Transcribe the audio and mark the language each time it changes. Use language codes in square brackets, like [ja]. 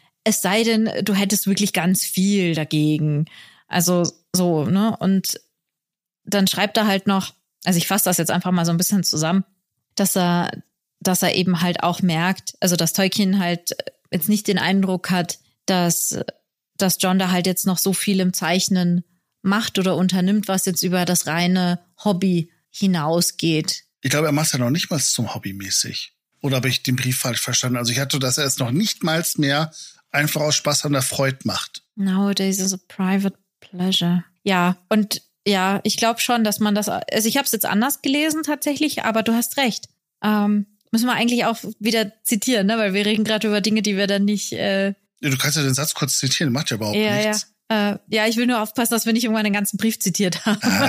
[de] Es sei denn, du hättest wirklich ganz viel dagegen. Also so, ne, und dann schreibt er halt noch, also ich fasse das jetzt einfach mal so ein bisschen zusammen, dass er eben halt auch merkt, also dass Tolkien halt jetzt nicht den Eindruck hat, dass John da halt jetzt noch so viel im Zeichnen macht oder unternimmt, was jetzt über das reine Hobby hinausgeht. Ich glaube, er macht es ja noch nicht mal zum Hobby mäßig. Oder habe ich den Brief falsch verstanden? Also ich hatte, dass er es noch nicht mal mehr einfach aus Spaß an der Freude macht. [en] Nowadays is a private pleasure. [de] Ja, und ja, ich glaube schon, dass man das, also ich habe es jetzt anders gelesen tatsächlich, aber du hast recht. Müssen wir eigentlich auch wieder zitieren, ne? Weil wir reden gerade über Dinge, die wir dann nicht... Ja, du kannst ja den Satz kurz zitieren, macht ja überhaupt ja, nichts. Ja. Ja, ich will nur aufpassen, dass wir nicht irgendwann den ganzen Brief zitiert haben.